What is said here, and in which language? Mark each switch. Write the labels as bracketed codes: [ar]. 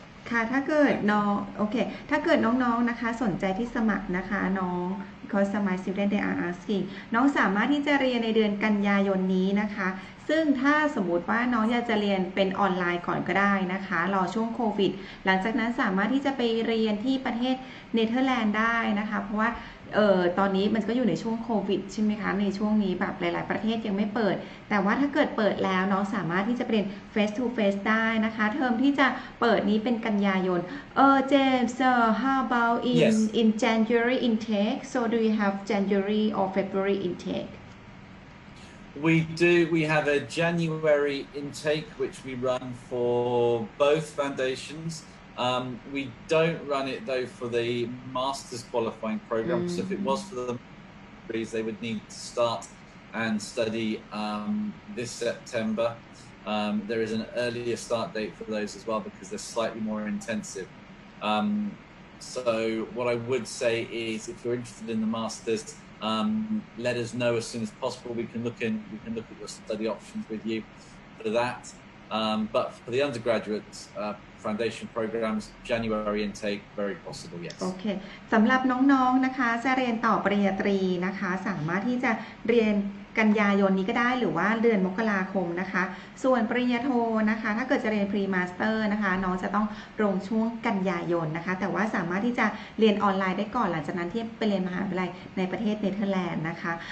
[th] ค่ะถ้าเกิดน้องโอเคถ้าเกิดน้องๆ นะคะสนใจที่สมัครนะคะน้อง [en] because my student they are asking [th] น้องสามารถที่จะเรียนในเดือนกันยายนนี้นะคะซึ่งถ้าสมมุติว่าน้องอยากจะเรียนเป็นออนไลน์ก่อนก็ได้นะคะรอช่วงโควิดหลังจากนั้นสามารถที่จะไปเรียนที่ประเทศเนเธอร์แลนด์ได้นะคะเพราะว่า ตอนนี้มันก็อยู่ในช่วงโควิดใช่ไหมคะในช่วงนี้แบบหลายๆประเทศยังไม่เปิดแต่ว่าถ้าเกิดเปิดแล้วน้องสามารถที่จะเรียน face to face ได้นะคะเทอมที่จะเปิดนี้เป็นกันยายน [en] James how about yes. in January intake so do you have January or February intake we do we have a January intake which we run for both foundations we don't run it though for the master's qualifying program mm. so if it was for the degrees they would need to start and study this September there is an earlier start date for those as well because they're slightly more intensive so what I would say is if you're interested in the master's let us know as soon as possible we can look at your study options with you for that but for the undergraduates Foundation programs January intake very possible yes [th] okay สำหรับน้องๆ นะคะจะเรียนต่อปริญญาตรีนะคะสามารถที่จะเรียนกันยายนนี้ก็ได้หรือว่าเดือนมกราคมนะคะส่วนปริญญาโทนะคะถ้าเกิดจะเรียนพรีมาสเตอร์นะคะน้องจะต้องลงช่วงกันยายนนะคะแต่ว่าสามารถที่จะเรียนออนไลน์ได้ก่อนหลังจากนั้นที่ไปเรียนมหาวิทยาลัยในประเทศเนเธอร์แลนด์นะคะ